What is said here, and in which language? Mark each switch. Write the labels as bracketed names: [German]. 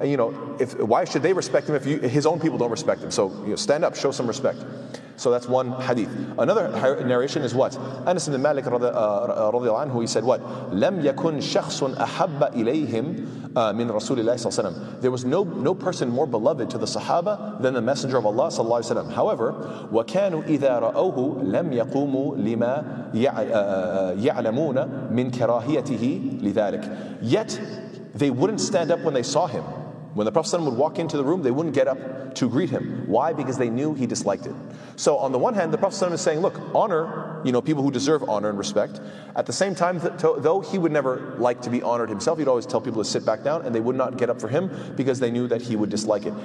[English] And you know, why should they respect him if his own people don't respect him? So you know, stand up, show some respect. So that's one hadith. Another narration is what? Anas ibn Malik radiallahu anhu, he said what? [Arabic] لَمْ يَكُنْ شَخْصٌ أَحَبَّ إِلَيْهِمْ مِنْ رَسُولِ اللَّهِ صَلَّى اللَّهُ عَلَيْهِ وَسَلَّمْ. [English] There was no person more beloved to the Sahaba than the Messenger of Allah [Arabic] صلى الله عليه وسلم. [English] However, [Arabic] وَكَانُوا إِذَا رَأَوْهُ لَمْ يَقُومُوا لِمَا يَعْلَمُونَ مِنْ كَرَاهِيَتِهِ لِذَلِكَ. [English] Yet, they wouldn't stand up when they saw him. When the Prophet ﷺ would walk into the room, they wouldn't get up to greet him. Why? Because they knew he disliked it. So on the one hand, the Prophet ﷺ is saying, look, honor, you know, people who deserve honor and respect. At the same time, though he would never like to be honored himself, he'd always tell people to sit back down, and they would not get up for him because they knew that he would dislike it.